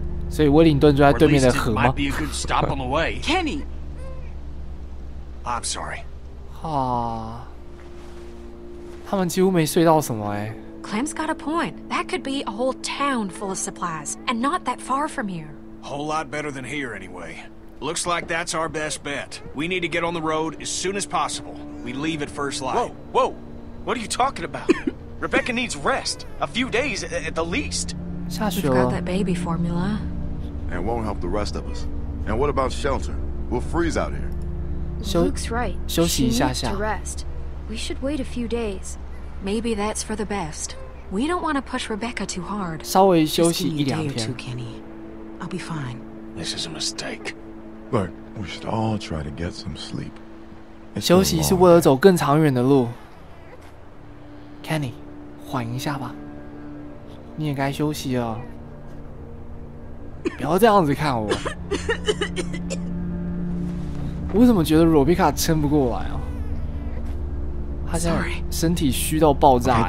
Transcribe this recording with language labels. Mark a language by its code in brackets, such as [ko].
[zh] 所以威灵顿就在对面的河吗？ [en] Or at least it might be a good stop on the way. Kenny! I'm sorry. 啊。 [zh] 他们几乎没睡到什么欸。 [en] Clem's got a point. That could be a whole town full of supplies, and not that far from here. Whole lot better than here, anyway. Looks like that's our best bet. We need to get on the road as soon as possible. We leave at first light. Whoa, whoa! What are you talking about? Rebecca needs rest. A few days, at the least. We've got that baby formula. And won't help the rest of us. And what about shelter? We'll freeze out here. Luke's right. [zh] 休息一下下。 [en] She needs to rest. We should wait a few days. Maybe that's for the best. We don't want to push Rebecca too hard. [zh] 稍微休息一两天。 [en] Just a day or two, Kenny. I'll be fine. This is a mistake. Look, we should all try to get some sleep. [zh] 休息是为了走更长远的路。 Kenny, 缓一下吧。你也该休息啊。不要这样子看我。我怎么觉得罗比卡撑不过来啊？他现在身体虚到爆炸